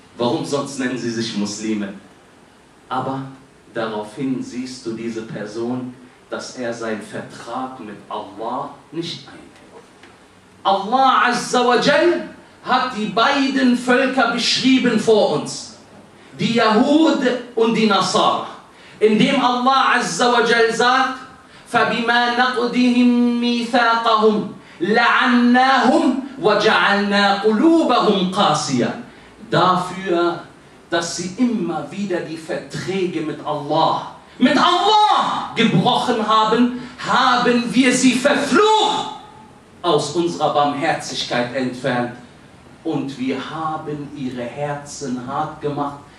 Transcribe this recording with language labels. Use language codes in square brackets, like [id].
[de] Warum sonst nennen sie sich Muslime? Aber daraufhin siehst du diese Person, dass er seinen Vertrag mit Allah nicht einhält. Allah Azza wa Jal hat die beiden Völker beschrieben vor uns. Die Yahud und die Nasara. Indem Allah Azza wa Jal sagt, [ar] فَبِمَا نَقْدِهِمْ مِيثَاقَهُمْ لَعَنَّاهُمْ وَجَعَلْنَا قُلُوبَهُمْ قَاسِيًا. [de] Dafür, dass sie immer wieder die Verträge mit Allah gebrochen haben, haben wir sie verflucht, aus unserer Barmherzigkeit entfernt. Und wir haben ihre Herzen hart gemacht.